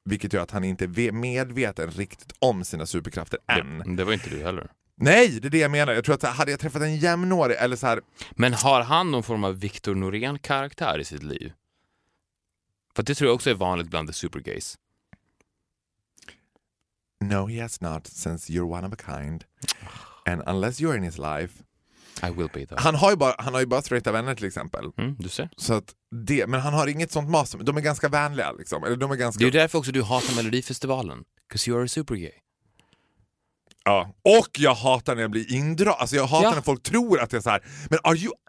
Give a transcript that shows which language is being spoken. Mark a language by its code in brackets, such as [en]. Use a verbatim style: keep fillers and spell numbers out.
[sv] Vilket gör att han inte är medveten riktigt om sina superkrafter än. Det, det var inte du heller. Nej, det är det jag menar. Jag tror att hade jag träffat en jämnårig eller så här... Men har han någon form av Victor Norén-karaktär i sitt liv? För det tror jag också är vanligt bland [en] the supergays. No, he has not, since you're one of a kind. And unless you're in his life... I will be there. [sv] Han har ju bara, han har ju bara straighta vänner till exempel. Mm, du ser. Så att det, men han har inget sånt mas. De är ganska vänliga liksom. Eller de är ganska... Det är ju därför också du hatar Melodifestivalen. [en] 'Cause you're a supergay. [sv] Ja. Och jag hatar när jag blir indra. Alltså jag hatar ja. När folk tror att jag är så här. Men [en] are you...